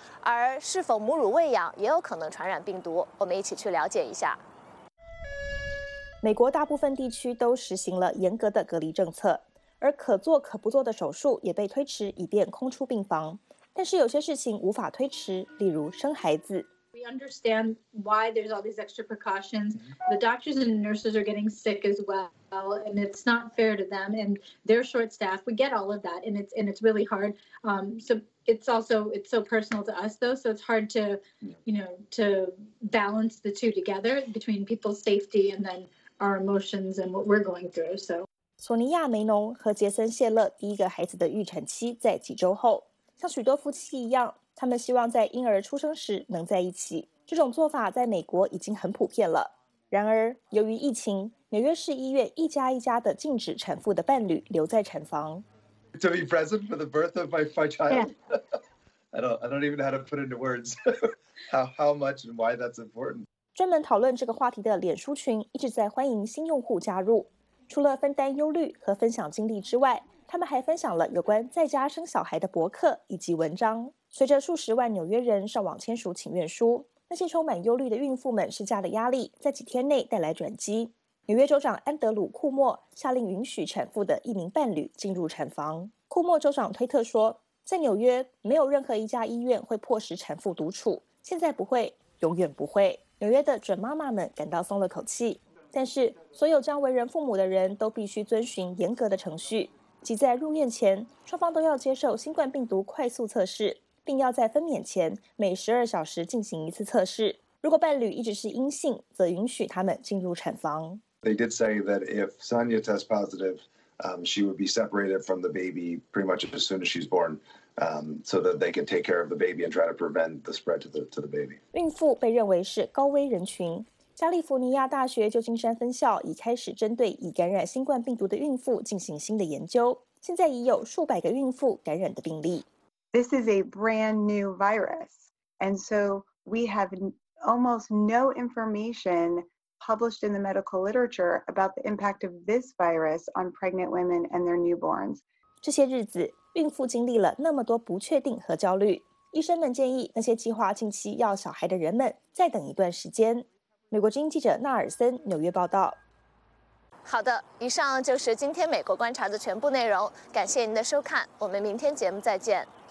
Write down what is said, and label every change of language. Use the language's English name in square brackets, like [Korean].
[Chinese] 而是否母乳喂养也有可能传染病毒？我们一起去了解一下。美国大部分地区都实行了严格的隔离政策，而可做可不做的手术也被推迟以便空出病房，但是有些事情无法推迟，例如生孩子。 [English] We understand why there's all these extra precautions. The doctors and nurses are getting sick as well, and it's not fair to them. And they're short staffed. We get all of that, and it's really hard. It's so personal to us, though, so it's hard to, you know, to balance the two together between people's safety and then our emotions and what we're going through. So, [Chinese] 索尼亚·梅农和杰森·谢勒第一个孩子的预产期在几周后，像许多夫妻一样。他们希望在婴儿出生时能在一起，这种做法在美国已经很普遍了。然而，由于疫情，纽约市医院一家一家地禁止产妇的伴侣留在产房。 [English] To be present for the birth of my child, yeah. I don't even know how to put into words how much and why that's important. [Chinese] 专门讨论这个话题的脸书群一直在欢迎新用户加入，除了分担忧虑和分享经历之外，他们还分享了有关在家生小孩的博客以及文章。随着数十万纽约人上网签署请愿书，那些充满忧虑的孕妇们施加的压力在几天内带来转机。纽约州长安德鲁·库莫下令允许产妇的一名伴侣进入产房。库莫州长推特说，在纽约没有任何一家医院会迫使产妇独处，现在不会，永远不会。纽约的准妈妈们感到松了口气，但是所有将为人父母的人都必须遵循严格的程序，即在入院前双方都要接受新冠病毒快速测试，并要在分娩前每12小时进行一次测试。如果伴侣一直是阴性，则允许他们进入产房。 [English] They did say that if Sonia tests positive, she would be separated from the baby pretty much as soon as she's born, so that they can take care of the baby and try to prevent the spread to the baby. [Chinese] 孕妇被认为是高危人群。加利福尼亚大学旧金山分校已开始针对已感染新冠病毒的孕妇进行新的研究，现在已有数百个孕妇感染的病例。 [English] This is a brand new virus, and so we have almost no information published in the medical literature about the impact of this virus on pregnant women and their newborns. [Chinese] 这些日子，孕妇经历了那么多不确定和焦虑。医生们建议那些计划近期要小孩的人们再等一段时间。美国之音记者纳尔森，纽约报道。好的，以上就是今天美国观察的全部内容，感谢您的收看，我们明天节目再见。